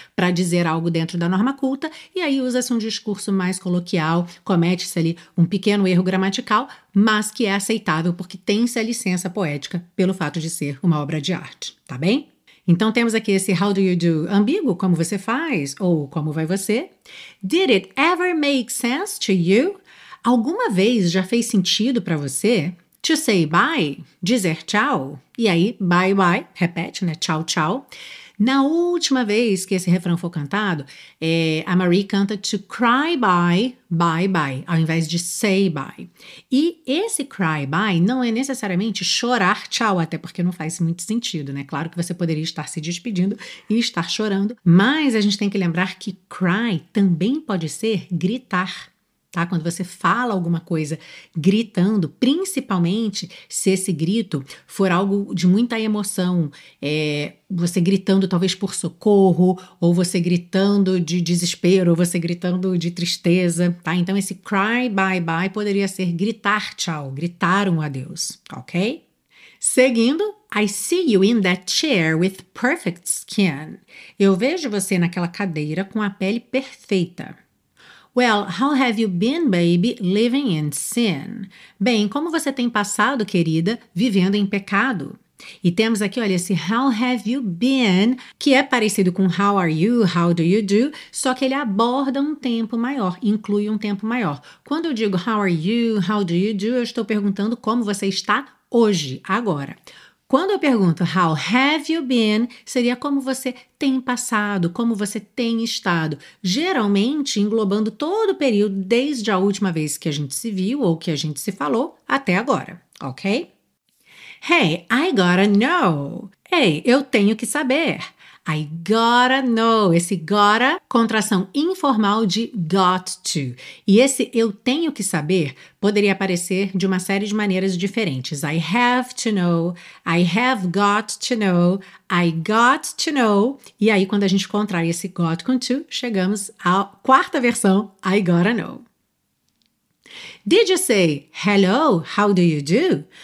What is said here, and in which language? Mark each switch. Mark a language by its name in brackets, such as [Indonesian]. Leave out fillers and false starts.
[Portuguese] para dizer algo dentro da norma culta e aí usa-se um discurso mais coloquial, comete-se ali um pequeno erro gramatical, mas que é aceitável porque tem-se a licença poética pelo fato de ser uma obra de arte, tá bem? Então temos aqui esse how do you do ambíguo, como você faz, ou como vai você. [English] Did it ever make sense to you? [Portuguese] Alguma vez já fez sentido para você? [English] To say bye, [Portuguese] dizer tchau, e aí bye bye, repete, né, tchau tchau. Na última vez que esse refrão foi cantado, a Marie canta [English] to cry bye, bye bye, [Portuguese] ao invés de say bye. E esse cry bye não é necessariamente chorar tchau, até porque não faz muito sentido, né? Claro que você poderia estar se despedindo e estar chorando, mas a gente tem que lembrar que cry também pode ser gritar. Tá? Quando você fala alguma coisa gritando, principalmente se esse grito for algo de muita emoção, você gritando talvez por socorro, ou você gritando de desespero, ou você gritando de tristeza, tá? Então esse cry bye bye poderia ser gritar tchau, gritar um adeus, ok? [English] Seguindo, I see you in that chair with perfect skin. [Portuguese] Eu vejo você naquela cadeira com a pele perfeita. [English] Well, how have you been, baby, living in sin? [Portuguese] Bem, como você tem passado, querida, vivendo em pecado? E temos aqui, olha, esse [English] how have you been, [Portuguese] que é parecido com [English] how are you, how do you do, [Portuguese] só que ele aborda um tempo maior, inclui um tempo maior. Quando eu digo [English] how are you, how do you do, [Portuguese] eu estou perguntando como você está hoje, agora. Quando eu pergunto [English] how have you been, [Portuguese] seria como você tem passado, como você tem estado, geralmente englobando todo o período desde a última vez que a gente se viu ou que a gente se falou até agora, ok? [English] Hey, I gotta know. [Portuguese] Ei, eu tenho que saber. [English] I gotta know. [Portuguese] Esse gotta, contração informal de got to. E esse eu tenho que saber poderia aparecer de uma série de maneiras diferentes. [English] I have to know, I have got to know, I got to know. [Portuguese] E aí, quando a gente contrai esse got com to, chegamos à quarta versão, [English] I gotta know. Did you say, hello, how do you do?